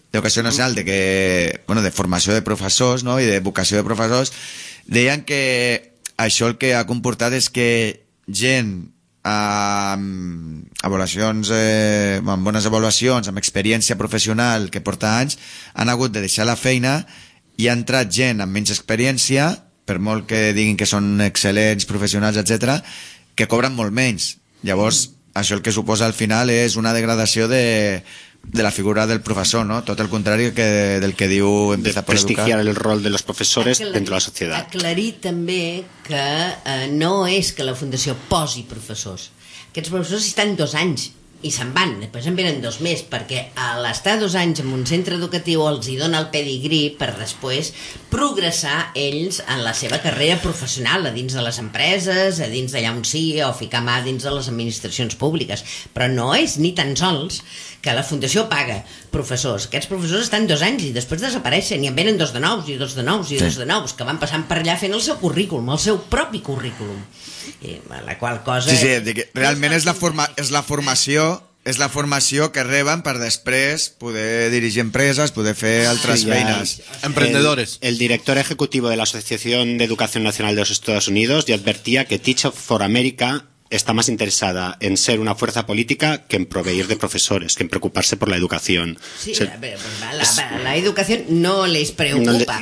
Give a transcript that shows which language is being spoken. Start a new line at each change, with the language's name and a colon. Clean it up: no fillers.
Catalan: D'Educació Nacional, de, que, bueno, de formació de professors, no?, i de vocació de professors, deien que això el que ha comportat és que gent amb avaluacions, amb bones avaluacions, amb experiència professional que porta anys, han hagut de deixar la feina i ha entrat gent amb menys experiència, per molt que diguin que són excel·lents professionals, etc, que cobren molt menys. Llavors, això el que suposa al final és una degradació de la figura del professor, no? Tot el contrari que del que diu
Spanish: Empieza por Educar. Desprestigiar el rol de los profesores dentro de la sociedad.
Catalan: Aclarir també que no és que la Fundació posi professors. Aquests professors estan 2 anys i se'n van, després en venen 2 més, perquè a l'estar 2 anys en un centre educatiu els hi dona el pedigrí per després progressar ells en la seva carrera professional a dins de les empreses, a dins d'allà on sigui, o ficar mà dins de les administracions públiques. Però no és ni tan sols que la Fundació paga professors. Aquests professors estan 2 anys i després desapareixen, i en venen 2 de nous, i 2 de nous, i sí, 2 de nous, que van passant per allà fent el seu currículum, el seu propi currículum. La qual cosa... Sí, sí, realment és la, formació que reben per després poder dirigir empreses, poder fer altres feines.
Spanish: Emprendedores. El director ejecutivo de la Asociación de Educación Nacional de los Estados Unidos ya advertía que Teach for America está más interesada en ser una fuerza política que en proveer de profesores, que en preocuparse por la educación. Sí, o sea, la educación no les preocupa.